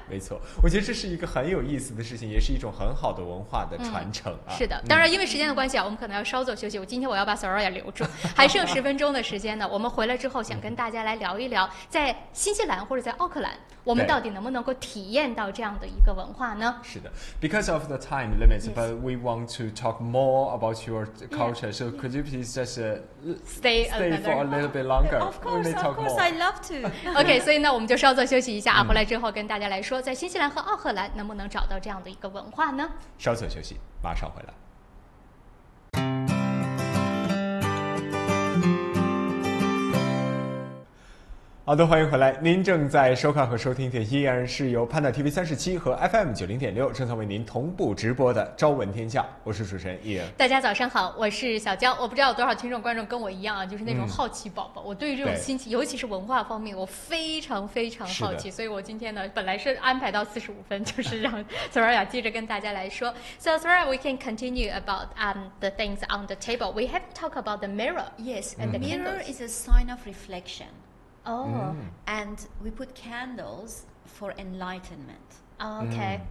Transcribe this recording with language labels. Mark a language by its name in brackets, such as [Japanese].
[Chinese] 没错，我觉得这是一个很有意思的事情，也是一种很好的文化的传承啊。是的，当然因为时间的关系啊，我们可能要稍作休息。今天我要把 Sora 也留住，还剩十分钟的时间呢。我们回来之后想跟大家来聊一聊，在新西兰或者在奥克兰，我们到底能不能够体验到这样的一个文化呢？是的， [English] because of the time limits,、yes. but we want to talk more about your culture. so could you please just stay for a little bit longer? Of course, I love to. [Chinese] Okay, 所以呢，我们就稍作休息一下啊，回来之后跟大家来说，在新西兰和奥克兰能不能找到这样的一个文化呢？稍作休息，马上回来。好的，欢迎回来。您正在收看和收听的依然是由 Panda TV 37和 FM 90.6 正在为您同步直播的朝闻天下，我是主持人依然。大家早上好，我是小娇。我不知道有多少听众观众跟我一样啊，就是那种好奇宝宝。我对于这种新奇，尤其是文化方面，我非常非常好奇。所以我今天呢，本来是安排到45分，就是让 Soraya 接着跟大家来说。 [English] So Soraya, we can continue about the things on the table. We have to talk about the mirror. Yes, and the mirror is a sign of reflection. And we put candles for enlightenment. Okay.